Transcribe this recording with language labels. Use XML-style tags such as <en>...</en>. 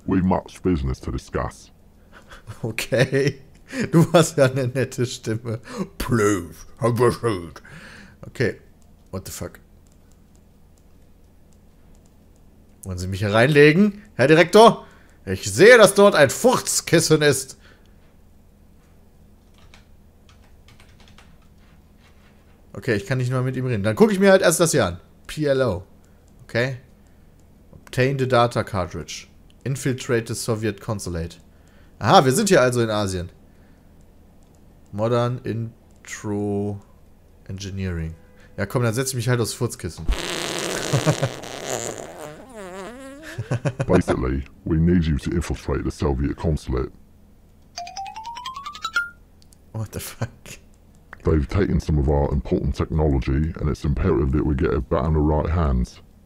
<en>We much business to discuss. Okay.</en> <de>Du hast ja eine nette Stimme.</de> <en>Please, have a seat. Okay. What the fuck?</en> <de>Wollen Sie mich hier reinlegen, Herr Direktor? Ich sehe, dass dort ein Furzkissen ist. Okay, ich kann nicht mal mit ihm reden. Dann gucke ich mir halt erst das hier an.</de> <en>PLO. Okay. Obtain the data cartridge. Infiltrate the Soviet Consulate.</en> <de>Aha, wir sind hier also in Asien.</de> <en>Modern Intro Engineering.</en> <de>Ja komm, dann setze ich mich halt aufs Furzkissen.</de> <en>Basically, we need you to infiltrate the Soviet consulate. What the fuck? They've taken some of our important technology, and it's imperative that we get it back in the right hands.</en>